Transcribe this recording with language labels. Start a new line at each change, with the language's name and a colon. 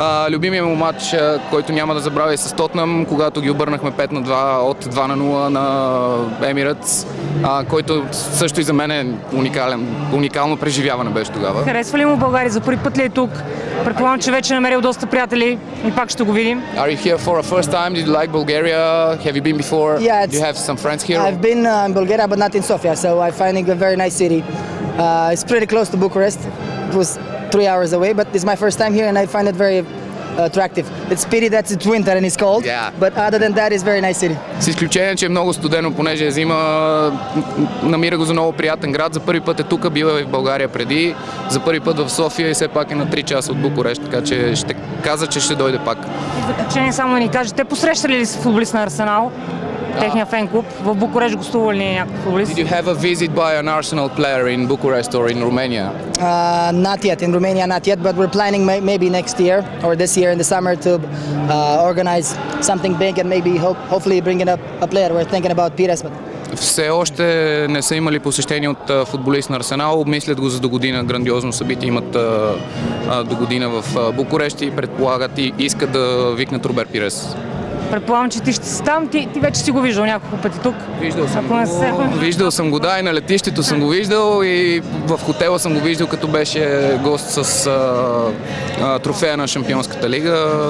Bulgarian: Любимия му матч, който няма да забравя, е с Тотнам, когато ги обърнахме 5-2 от 2-0 на Емиръц, който също и за мен е уникално преживяване беше тогава. Харесва ли му България? За първи път ли е тук? Предполагам, че вече е намерил доста приятели и пак ще го видим.
English: Are you here for a first time? Did you like Bulgaria? Have you been before? Yeah, do you have some friends here? I've been in Bulgaria, but not in Sofia, so I find it a very nice city. It's pretty close to Bucharest. It was 3 hours away, but it's my first time here and I find it very attractive. It's pity that it's winter and it's cold, yeah. But other than that, it's very nice city.
Bulgarian: С изключение, че е много студено, понеже е зима, намира го за много приятен град. За първи път е тук, бил е в България преди, за първи път в София и все пак е на 3 часа от Букурещ, така че ще каза, че ще дойде пак. И заключение само да ни кажете, те посрещали ли са футболист на Арсенал? Техния фен клуб. В Букурещ гостува ли ни някакъв футболист?
English: Did you have a visit by an Arsenal player in Bucharest or in Romania? Not yet. In Romania not yet, but we're planning maybe next year or this year in the summer to organize something big and maybe hopefully bring up a player. We're thinking about Pires. But...
Bulgarian: Все още не са имали посещение от футболист на Арсенал. Обмислят го за до година. Грандиозно събитие имат до година в Букурещ и предполагат и искат да викнат Робер Пирес. Предполагам, че ти ще си там. Ти вече си го виждал няколко пъти тук. Виждал съм го, да, и на летището съм го виждал, и в хотела съм го виждал, като беше гост с трофея на Шампионската лига.